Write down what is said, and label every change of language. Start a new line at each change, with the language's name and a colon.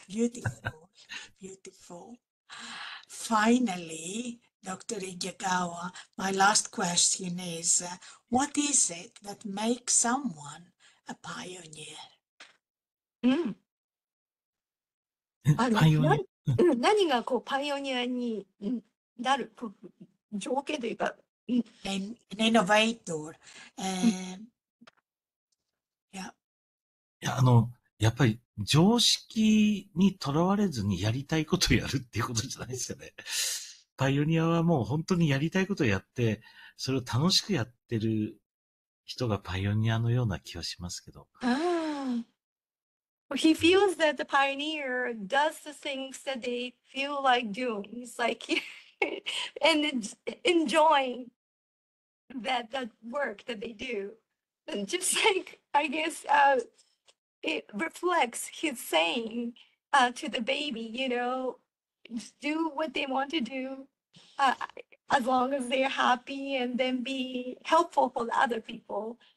English: Beautiful, beautiful. Finally, Dr. Igagawa, my last question is, what is it that makes someone a pioneer? Pioneer?
Japanese: 何がこうパイオニアになる条件というか、
English: an innovator、
Japanese: やっぱり常識にとらわれずにやりたいことをやるっていうことじゃないですよね。パイオニアはもう本当にやりたいことをやって、それを楽しくやってる人がパイオニアのような気はしますけど。
English: He feels that the pioneer does the things that they feel like doing. It's like, and enjoying that the work that they do. And just like, I guess, it reflects his saying to the baby, you know, just do what they want to do as long as they're happy and then be helpful for the other people.